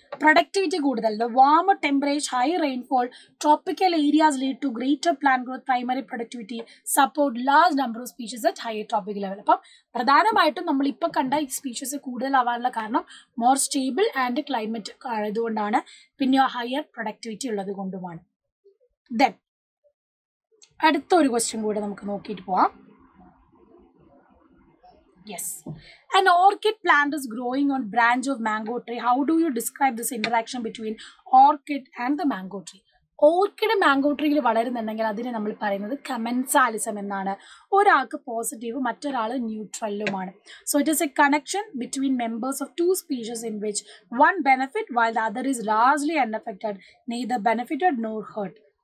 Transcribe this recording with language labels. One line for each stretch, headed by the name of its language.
English: Productivity കൂടുതൽ, warmer temperature, high rainfall, tropical areas lead to greater plant growth, primary productivity support large number of species at higher trophic level.
Malayalam: അപ്പം പ്രധാനമായിട്ടും നമ്മൾ ഇപ്പം കണ്ട ഈ species കൂടുതലാവാനുള്ള കാരണം മോർ സ്റ്റേബിൾ ആൻഡ് ക്ലൈമറ്റ് ആയതുകൊണ്ടാണ്, പിന്നെ ഹയർ പ്രൊഡക്ടിവിറ്റി ഉള്ളത് കൊണ്ടുമാണ്. ദെൻ അടുത്തൊരു ക്വസ്റ്റ്യൻ കൂടെ നമുക്ക് നോക്കിയിട്ട് പോവാം.
English: Yes, an orchid plant is growing on branch of mango tree. How do you describe this interaction between orchid and the mango tree?
Malayalam: Orchid mango ട്രീയിൽ വളരുന്നുണ്ടെങ്കിൽ അതിനെ നമ്മൾ പറയുന്നത് കമെൻസാലിസം എന്നാണ്. ഒരാൾക്ക് പോസിറ്റീവ്, മറ്റൊരാൾ ന്യൂട്രലുമാണ്.
English: So it is a connection between members of two species in which one benefit while the other is largely unaffected neither benefited nor hurt.